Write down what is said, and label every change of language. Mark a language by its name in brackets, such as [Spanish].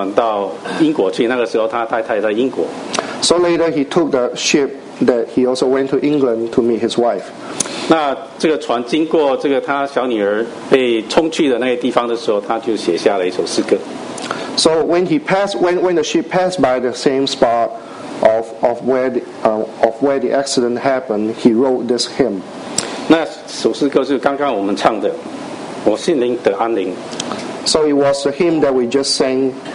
[Chinese] 那后来呢？他也坐船到英国去。那个时候，他太太在英国。 [English] So later, he took the ship that he also went to England to meet his wife. [Chinese] 那这个船经过这个他小女儿被冲去的那个地方的时候，他就写下了一首诗歌。 [English] So when he passed, when the ship passed by the same spot of where the accident happened, he wrote this hymn. [Chinese] 那首诗歌是刚刚我们唱的，我心灵得安宁。 [English] So it was the hymn that we just sang.